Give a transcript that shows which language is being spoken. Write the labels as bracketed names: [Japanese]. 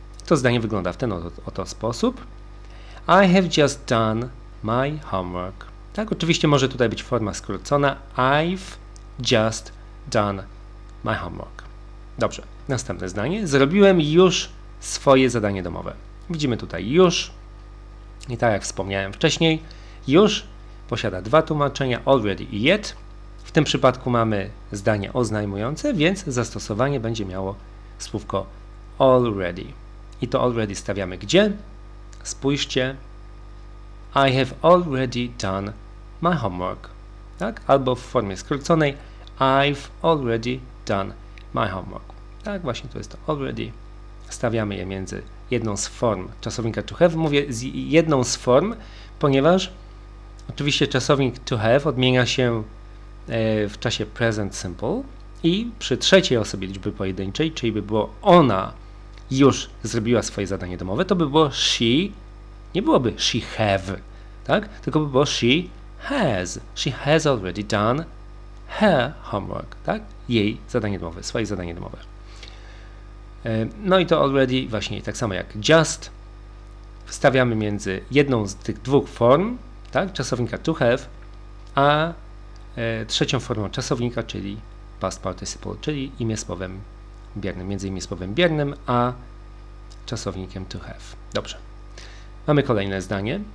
[Polish] To zdanie wygląda w ten oto sposób. [English] I have just done my homework. [Polish] Tak, oczywiście może tutaj być forma skrócona. [English] I've just done my homework. [Polish] Dobrze, następne zdanie. Zrobiłem już swoje zadanie domowe. Widzimy tutaj już. I tak jak wspomniałem wcześniej, już posiada dwa tłumaczenia, already i yet. W tym przypadku mamy zdanie oznajmujące, więc zastosowanie będzie miało słówko already. I to already stawiamy gdzie? Spójrzcie. [English] I have already done my homework. [Polish] Tak? Albo w formie skróconej. [English] I've already done my homework. [Polish] Tak, właśnie to jest to already. Stawiamy je między jedną z form czasownika to have. Mówię z jedną z form, ponieważ oczywiście czasownik to have odmienia się w czasie present simple i przy trzeciej osobie liczby pojedynczej, czyli by było ona już zrobiła swoje zadanie domowe, to by było she, nie byłoby [English] she have, [Polish] tak? Tylko by było [English] she has already done her homework, [Polish] tak? Jej zadanie domowe, swoje zadanie domowe. No i to already właśnie tak samo jak just wstawiamy między jedną z tych dwóch form, tak? Czasownika to have, a trzecią formą czasownika, czyli past participle, czyli imię słowem biernym, między imię słowem biernym, a czasownikiem to have. Dobrze. Mamy kolejne zdanie.